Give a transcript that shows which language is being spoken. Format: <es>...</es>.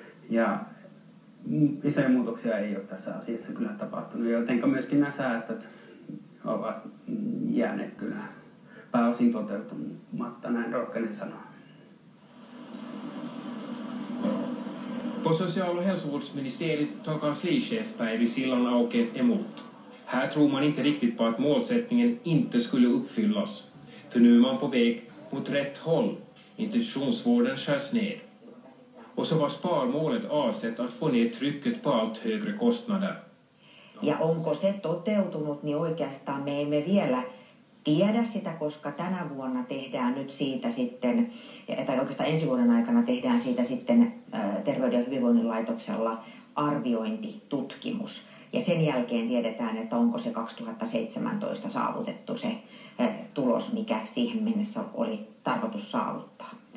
<fi>Ja isoja muutoksia ei ole tässä asiassa kyllä tapahtunut, joten myöskin nämä säästöt ovat jääneet kyllä pääosin toteutumatta, näin rohkenen sanoa.</fi> <sv>På social- och hälsovårdsministeriet tar kanslichef Päivi Sillanauke emot. Här tror man inte riktigt på att målsättningen inte skulle uppfyllas. För nu är man på väg mot rätt håll. Institutionsvården skärs ner. Och så var sparmålet avsett att få ner trycket på allt högre kostnader.</sv> <fi>Ja onko se toteutunut, niin oikeastaan me emme vielä tiedä sitä, koska tänä vuonna tehdään nyt siitä sitten, tai oikeastaan ensi vuoden aikana tehdään siitä sitten Terveyden ja hyvinvoinnin laitoksella arviointitutkimus. Ja sen jälkeen tiedetään, että onko se 2017 saavutettu se tulos, mikä siihen mennessä oli tarkoitus saavuttaa.</fi>